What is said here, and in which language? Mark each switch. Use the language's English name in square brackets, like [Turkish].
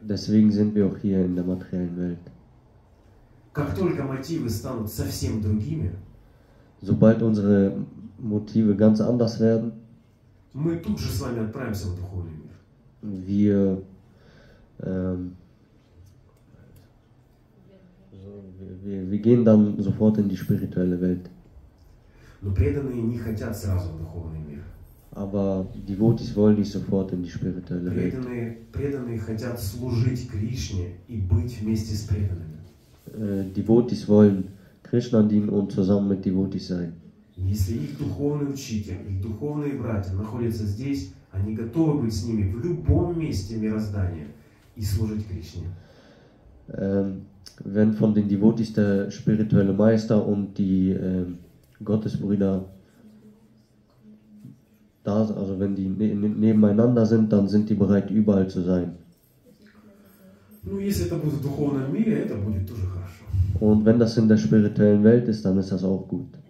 [German] Deswegen sind wir auch hier in der materiellen Welt. [Russian] Как только мотивы станут совсем другими, [German] sobald unsere Motive ganz anders werden, [Russian] мы тут же с вами отправимся в духовный мир. [German] Wir gehen dann sofort in die spirituelle Welt. [Russian] Но преданные не хотят сразу в духовный мир. [German] Aber die Votis wollen nicht sofort in die spirituelle Welt. [Russian] Преданные хотят служить Кришне и быть вместе с преданными. [German] Die Votis wollen Krishna dienen und zusammen mit Devotis sein. [Russian] Если их духовный учитель, их духовные братья находятся здесь, они готовы быть с ними в любом месте мироздания и служить Кришне. [German] Wenn von den Devotis der spirituelle Meister und die Gottesbrüder da, also wenn die nebeneinander sind, dann sind die bereit, überall zu sein. Und wenn das in der spirituellen Welt ist, dann ist das auch gut.